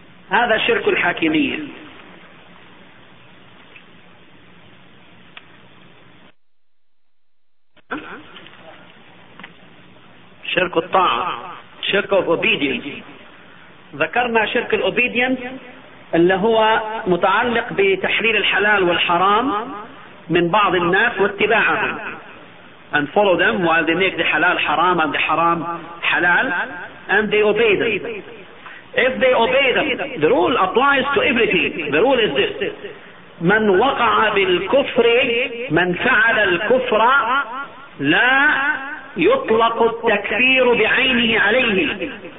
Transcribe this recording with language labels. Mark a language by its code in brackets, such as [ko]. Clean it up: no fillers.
[ar] هذا شرك الحاكمية. شرك الطاعة. [en] شرك of obedience. [ar] ذكرنا شرك الobedience اللي هو متعلق بتحليل الحلال والحرام من بعض الناس واتباعهم. [en] And follow them while they make the halal haram and the haram halal, and they obey them. If they obey them, the rule applies to everything. The rule is this: [ar] من وقع بالكفر من فعل الكفر لا يطلق التكفير بعينه عليه.